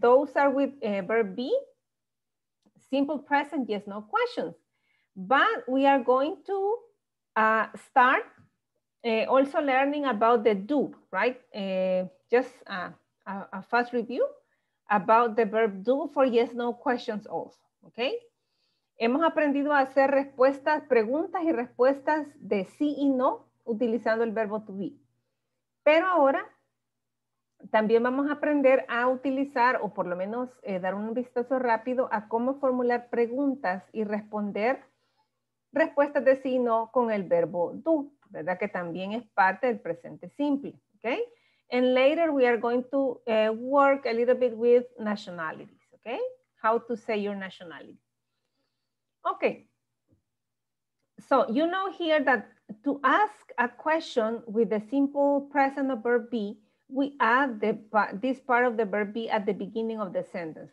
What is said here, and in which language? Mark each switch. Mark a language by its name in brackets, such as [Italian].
[English] Those are with verb be, simple present yes, no questions. But we are going to start also learning about the do, right? Just a fast review about the verb do for yes, no questions also, okay? [Spanish] Hemos aprendido a hacer respuestas, preguntas y respuestas de sí y no, utilizando el verbo to be. Pero ahora también vamos a aprender a utilizar o por lo menos dar un vistazo rápido a cómo formular preguntas y responder respuestas de sí y no con el verbo do, ¿verdad? Que también es parte del presente simple, ¿okay? [English] And later we are going to work a little bit with nationalities, ¿okay? How to say your nationality. Okay. So you know here that to ask a question with the simple present of verb be, we add this part of the verb be at the beginning of the sentence.